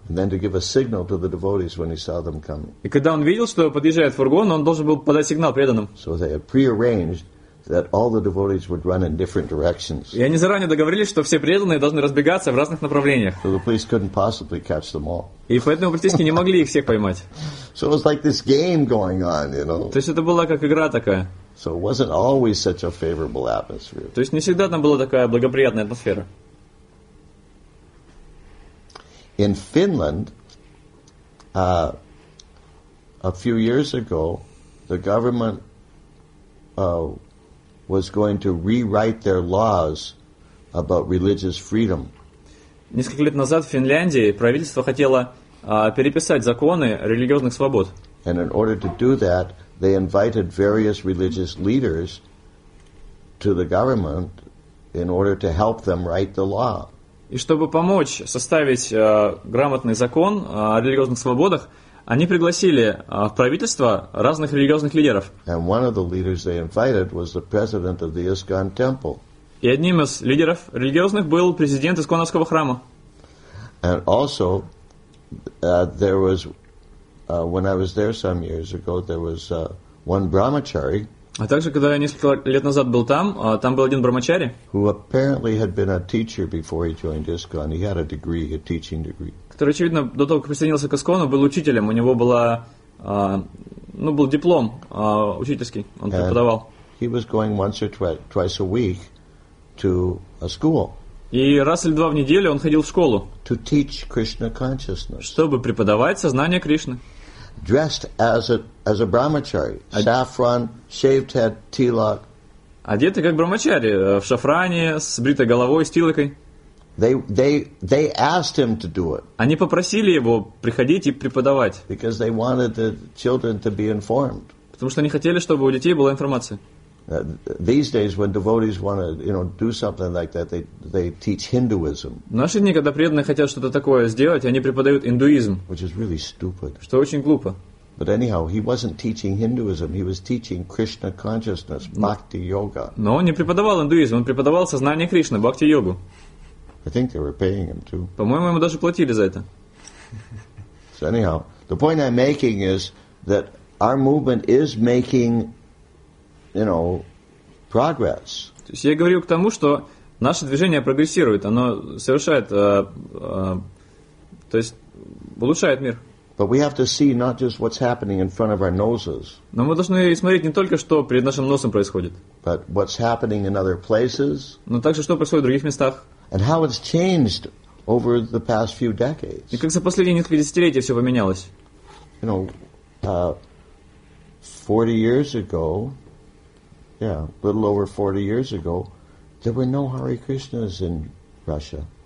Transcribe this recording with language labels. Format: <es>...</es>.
<en>And then to give a signal to the devotees when he saw them coming.</en> <ru>И когда он видел, что подъезжает фургон, он должен был подать сигнал преданным.</ru> <en>So they had prearranged that all the devotees would run in different directions.</en> <ru>И они заранее договорились, что все преданные должны разбегаться в разных направлениях.</ru> <en>So the police couldn't possibly catch them all.</en> <ru>И поэтому практически не могли их всех поймать.</ru> <en>So it was like this game going on, you know.</en> <ru>То есть это была как игра такая.</ru> <en>So it wasn't always such a favorable atmosphere.</en> <ru>То есть не всегда там была такая благоприятная атмосфера.</ru> <en>In Finland, a few years ago, the government was going to rewrite their laws about religious freedom.</en> <ru>Несколько лет назад в Финляндии правительство хотело переписать законы религиозных свобод.</ru> <en>And in order to do that, they invited various religious leaders to the government in order to help them write the law.</en> <ru>И чтобы помочь составить грамотный закон о религиозных свободах, они пригласили в правительство разных религиозных лидеров.</ru> <en>And one of the leaders they invited was the president of the ISKCON temple.</en> <ru>И одним из лидеров религиозных был президент Исконовского храма.</ru> <en>And also there was when I was there some years ago, there was one brahmachari.</en> <ru>А также, когда я несколько лет назад был там, там был один брахмачари.</ru> <en>Who apparently had been a teacher before he joined ISKCON. He had a degree, a teaching degree.</en> <ru>Который, очевидно, до того, как присоединился к ИСКОНу, был учителем. У него была, был диплом учительский. Он преподавал.</ru> <en>He was going once or twice a week to a school.</en> <ru>И раз или два в неделю он ходил в школу.</ru> <en>To teach Krishna consciousness.</en> <ru>Чтобы преподавать сознание Кришны.</ru> <en>Dressed as a brahmachari, saffron, shaved head, tilak.</en> <ru>Одетый как брахмачари, в шафране, с бритой головой, с тилакой.</ru> <en>They asked him to do it.</en> <ru>Они попросили его приходить и преподавать.</ru> <en>Because they wanted the children to be informed.</en> <ru>Потому что они хотели, чтобы у детей была информация.</ru> <en>These days, when devotees want to, you know, do something like that, they teach Hinduism.</en> <ru>В наши дни, когда преданные хотят что-то такое сделать, они преподают индуизм.</ru> <en>Which is really stupid.</en> <ru>Что очень глупо.</ru> <en>But anyhow, he wasn't teaching Hinduism. He was teaching Krishna consciousness, bhakti yoga.</en> <ru>Но он не преподавал индуизм. Он преподавал сознание Кришны, бхакти йогу.</ru> <en>I think they were paying him too.</en> <ru>По-моему, ему даже платили за это.</ru> <en>So anyhow, the point I'm making is that our movement is making, you know, progress.</en> <ru>То есть я говорю к тому, что наше движение прогрессирует, оно совершает, то есть улучшает мир.</ru> <en>But we have to see not just what's happening in front of our noses.</en> <ru>Но мы должны смотреть не только, что перед нашим носом происходит.</ru> <en>But what's happening in other places.</en> <ru>Но также, что происходит в других местах.</ru> <en>And how it's changed over the past few decades.</en> <ru>И как за последние несколько десятилетий все поменялось.</ru> <en>You know, 40 years ago, yeah, a little over 40 years ago, there were no Hare Krishnas in Russia.</en>